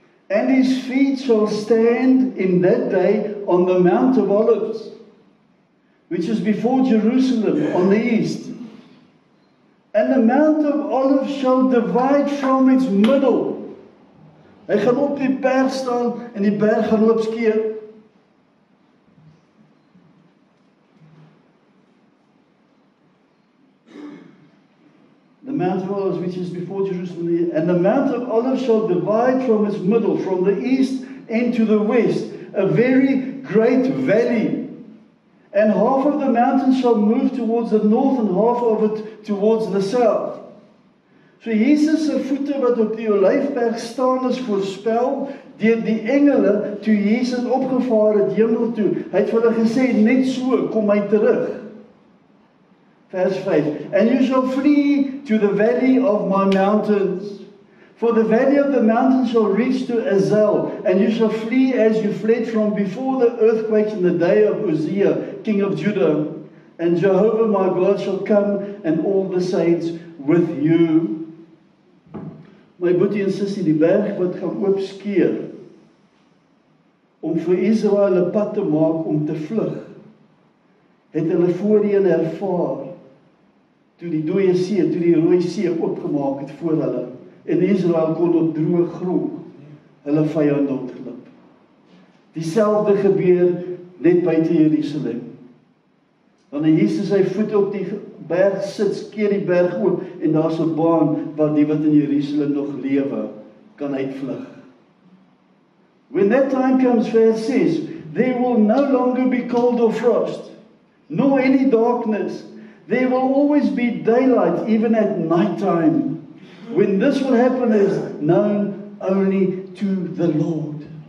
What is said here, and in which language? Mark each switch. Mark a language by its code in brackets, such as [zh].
[en] And his feet shall stand in that day on the Mount of Olives, which is before Jerusalem on the east. And the Mount of Olives shall divide from its middle. [af] Hy gaan op die berg staan en die berg gaan opskeer. [en] Mount of Olives, which is before Jerusalem, and the Mount of Olives shall divide from its middle, from the east and to the west, a very great valley. And half of the mountain shall move towards the north, and half of it towards the south. [af] So Jesus' voete wat op die Olijfberg staan is voorspel, deur die engele toe Jesus opgevaar het hemel toe. Hy het vir hulle gesê, net so, kom hy terug. Vers [en] 5, and you shall flee to the valley of my mountains, for the valley of the mountains shall reach to Azel, and you shall flee as you fled from before the earthquake in the day of Uzziah, king of Judah, And Jehovah my God shall come and all the saints with you. [af] My boetie en sussie, die berg wat gaan oopskeer om vir Israel 'n pad te maak om te vlug, het hulle voorheen ervaar toe die dooie see, toe die rooie see oopgemaak het voor hulle en Israel kon op droë grond hulle vyande ontglip. Dieselfde gebeur net buite Jerusalem. Wanneer Jesus sy voete op die berg sit, skeer die berg oop en daar's 'n baan waar die wat in Jerusalem nog lewe kan uitvlug. [en] When that time comes, verse 6, there will no longer be cold or frost, nor any darkness. There will always be daylight, even at night time. When this will happen is known only to the Lord.